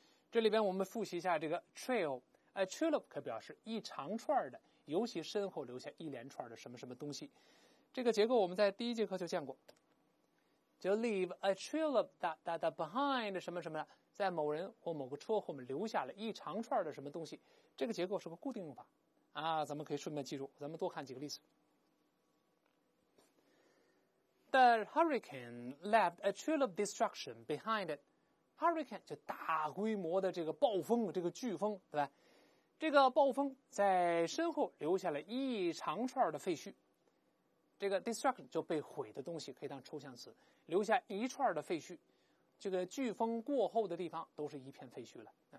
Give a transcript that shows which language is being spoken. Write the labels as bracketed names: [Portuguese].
[Chinese] 这里边我们复习一下这个 trail，a trail 可表示一长串的，尤其身后留下一连串的什么什么东西。这个结构我们在第一节课就见过，就 [English] leave a trail of that behind [Chinese] 什么什么，在某人或某个车后面留下了一长串的什么东西。这个结构是个固定用法啊，咱们可以顺便记住。咱们多看几个例子。 [English] The hurricane left a trail of destruction behind it. [Chinese] Hurricane 就大规模的这个暴风，这个飓风，对吧？这个暴风在身后留下了一长串的废墟。这个 destruction 就被毁的东西，可以当抽象词，留下一串的废墟。这个飓风过后的地方都是一片废墟了。